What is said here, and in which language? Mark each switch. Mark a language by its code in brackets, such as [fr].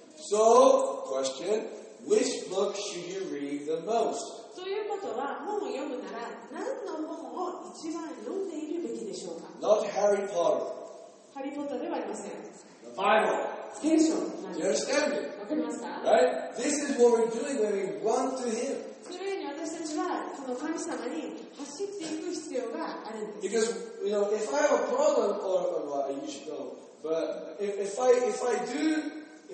[en] So, question, which book should you read the most? [ja] ということは、本を読むなら、何の本を一番読んでいるべきでしょうか? [en] Not Harry Potter. [ja] ハリー・ポッターではありません。 [en] The Bible. [ja] 聖書。 [en] Do you understand me? [ja] わかりますか? [en] Right? This is what we're doing when we run to Him. [ja] それに私たちは、この神様に走っていく必要があるんです。 [en] Because, you know, if I have a problem, or, well, you should know, but if I do...